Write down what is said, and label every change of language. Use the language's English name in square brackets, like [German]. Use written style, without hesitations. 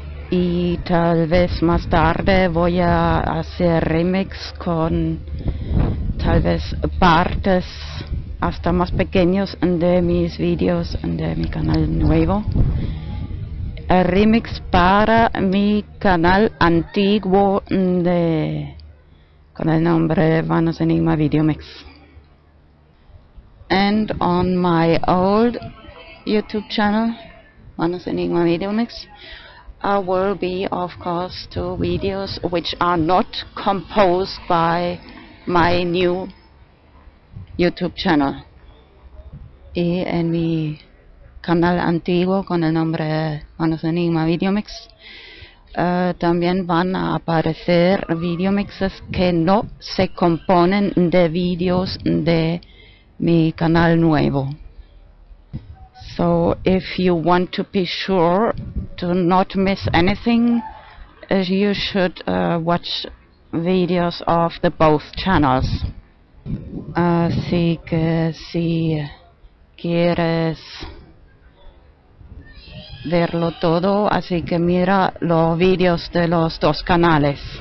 [Spanish] Y tal vez más tarde voy a hacer remix con tal vez partes hasta más pequeños de mis videos de mi canal nuevo. El remix para mi canal antiguo de con el nombre Vanos Enigma Videomix. [English] And on my old YouTube channel, Vanos Enigma Videomix, I will be of course two videos which are not composed by my new YouTube channel. [Spanish] Y en mi canal antiguo con el nombre Vanos Enigma Videomix, también van a aparecer videomixes que no se componen de videos de mi canal nuevo. [English] So if you want to be sure to not miss anything, you should watch videos of the both channels. [Spanish] Así que si quieres verlo todo, así que mira los videos de los dos canales.